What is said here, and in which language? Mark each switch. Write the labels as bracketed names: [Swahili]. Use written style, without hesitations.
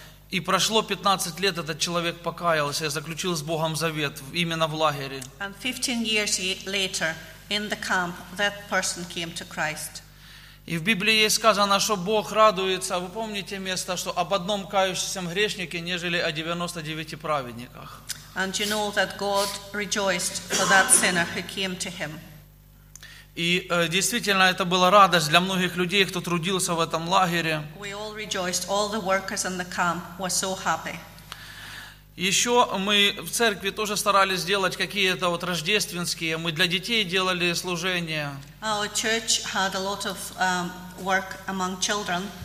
[Russian] И прошло 15 лет, этот человек покаялся и заключил с Богом завет именно в лагере. [English] And 15 years later, in the camp, that person came to Christ. [Russian] И в Библии есть сказано, что Бог радуется. Вы помните место, что об одном кающемся грешнике, нежели о 99 праведниках. [English] And you know that God rejoiced for that sinner who came to him. [Russian] И действительно, это была радость для многих людей, кто трудился в этом лагере. [English] We all rejoiced. All the workers in the camp were so happy. [Russian] Еще мы в церкви тоже старались сделать какие-то вот рождественские. Мы для детей делали служения. [English] Our church had a lot of work among children.